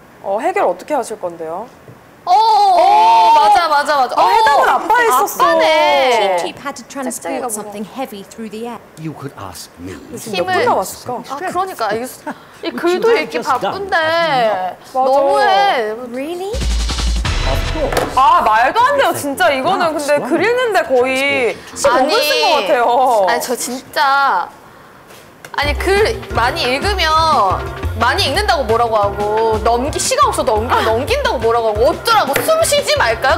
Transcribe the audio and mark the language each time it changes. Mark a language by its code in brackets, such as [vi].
[ko] 어, 해결 어떻게 하실 건데요? 오, 오, 맞아. 어, 해답은 아빠에 있었어. 아빠네. [en] Cheep had to transport something heavy through the air. You could ask me. [ko] 힘을 몇 분 남았을까? 아, 그러니까 이 글도 읽기 바쁜데 너무해. [en] Really? [ko] 아 말도 안 돼요 진짜 이거는 근데 그리는데 거의 15분 쓴 것 같아요 아니 저 진짜 아니 글 많이 읽으면 많이 읽는다고 뭐라고 하고 넘기 시간 없어 넘긴다고 뭐라고 하고 어쩌라고 숨 쉬지 말까요?